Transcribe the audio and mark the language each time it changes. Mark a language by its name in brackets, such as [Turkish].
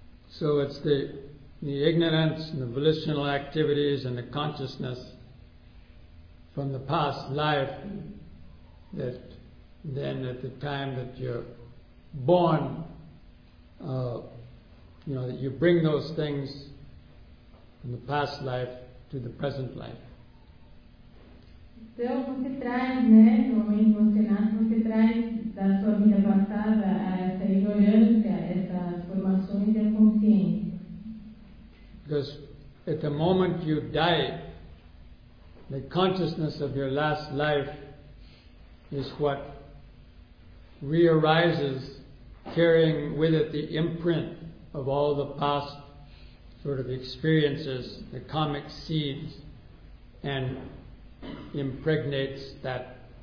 [English] So it's the ignorance and the volitional activities and the consciousness from the past life that then at the time that you're born, you know, that you bring those things from the past life to the present life. [Portuguese] Então você traz, né, no momento que você nasce, você traz da sua vida passada essa ignorância, essas formações e a consciência. [English] Because at the moment you die, the consciousness of your last life is what re-arises, carrying with it the imprint of all the past sort of experiences, the karmic seeds, and impregnates that